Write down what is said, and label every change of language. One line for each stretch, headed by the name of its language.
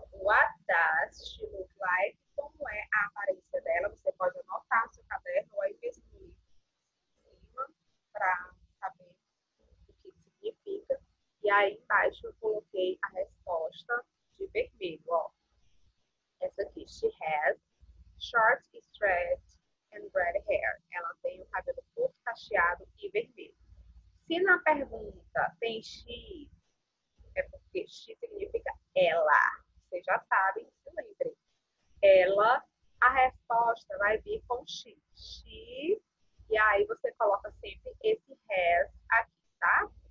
Portuguese: Ó,
English: what does she look like?
Portuguese: Como é a aparência dela? Você pode anotar no seu caderno ou aí mesmo no livro em cima para saber o que significa. E aí embaixo eu coloquei a resposta de vermelho. Ó. Essa aqui,
English: she has short, straight, and red hair.
Portuguese: Ela tem o cabelo curto, cacheado e vermelho. Se na pergunta tem she, é porque she significa ela. Vocês já sabem, se lembrem. Ela, a resposta vai vir com she. She, e aí você coloca sempre esse has aqui, tá?